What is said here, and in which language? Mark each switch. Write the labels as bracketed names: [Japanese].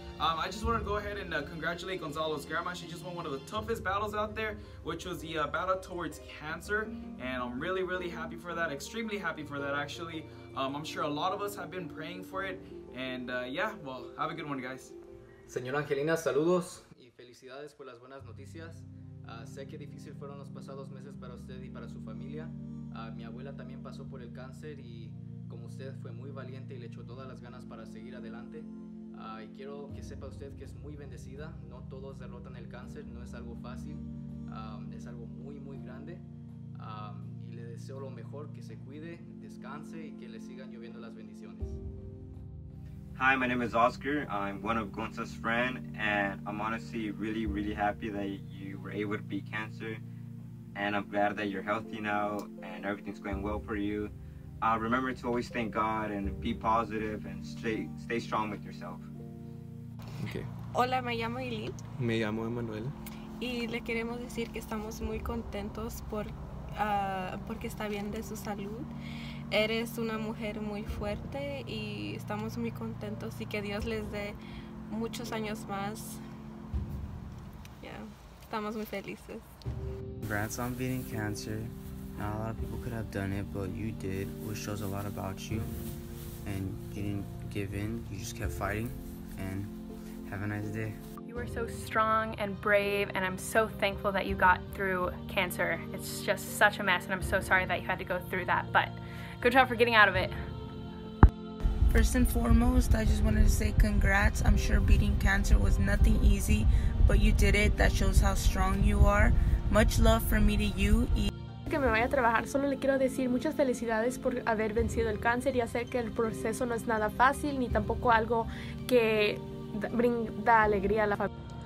[English] I just wanted to go ahead and congratulate Gonzalo's grandma. She just won one of the toughest battles out there, which was the battle towards cancer. And I'm really, really happy for that. Extremely happy for that, actually. I'm sure a lot of us have been praying for it. And yeah, well, have a good one, guys. [Spanish] Señora Angelina, saludos y felicidades por las buenas noticias. Sé que difícil fueron los pasados meses para usted y para su familia. Mi abuela también pasó por el cáncer y como usted fue muy valiente y le echó todas las ganas para seguir adelante. Y quiero que sepa usted que es muy bendecida. No todos derrotan el cáncer, no es algo fácil. Es algo muy, muy grande. Y le deseo lo mejor, que se cuide, descanse y que le sigan lloviendo las bendiciones. [English] Hi, my name is Oscar. I'm one of Gonza's friends, and I'm honestly really, really happy that you were able to beat cancer. And I'm glad that you're healthy now and everything's going well for you. Remember to always thank God and be positive and stay strong with yourself. Okay. [Spanish] Hola, me llamo Eileen. Me llamo Emmanuel. Y le queremos decir que estamos muy contentos porque está bien de su salud. Eres una mujer muy fuerte y estamos muy contentos y que Dios les dé muchos años más. Yeah, estamos muy felices. [English] Congrats on beating cancer. Not a lot of people could have done it, but you did, which shows a lot about you. And you didn't give in, you just kept fighting. And have a nice day. You are so strong and brave, and I'm so thankful that you got through cancer. It's just such a mess, and I'm so sorry that you had to go through that, but good job for getting out of it. First and foremost, I just wanted to say congrats. I'm sure beating cancer was nothing easy, but you did it. That shows how strong you are. Much love from me to you. [Spanish] Que me vaya a trabajar, solo le quiero decir muchas felicidades por haber vencido el cáncer. Ya sé que el proceso no es nada fácil, ni tampoco algo que brinda alegría a la familia.